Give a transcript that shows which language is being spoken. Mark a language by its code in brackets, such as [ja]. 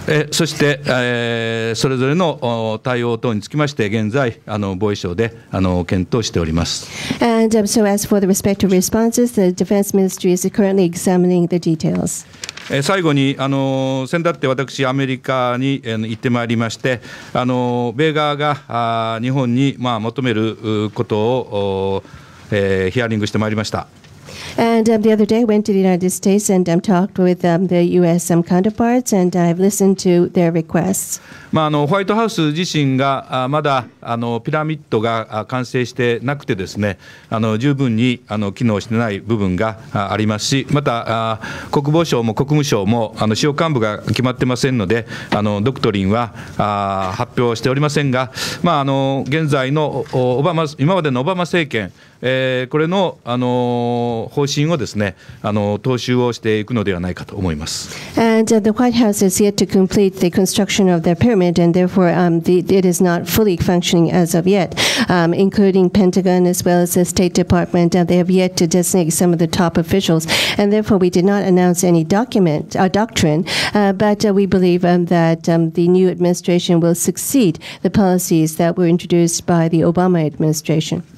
[ja] そして、それぞれの対応等につきまして現在防衛省で検討しております。 [en] And、so as for the respective responses the Defense Ministry is currently examining the details。 [ja] 最後に先だって私アメリカに行ってまいりまして米側が日本に、まあ、求めることを、ヒアリングしてまいりました。 [en] And、the other day I went to the United States and、talked with、the U.S. counterparts and I've listened to their requests. [ja] まあ、ホワイトハウス自身がまだピラミッドが完成してなくてですね、十分に機能してない部分がありますし、また国防省も国務省も主要幹部が決まってませんので、ドクトリンは発表しておりませんが、まあ、現在のオバマ、今までのオバマ政権、これの、方針をですね、踏襲をしていくのではないかと思います。 [en] And、the White House has yet to complete the construction of their pyramid, and therefore、it is not fully functioning as of yet,、including Pentagon as well as the State Department.、they have yet to designate some of the top officials, and therefore we did not announce any document, doctrine, but、we believe、that、the new administration will succeed the policies that were introduced by the Obama administration.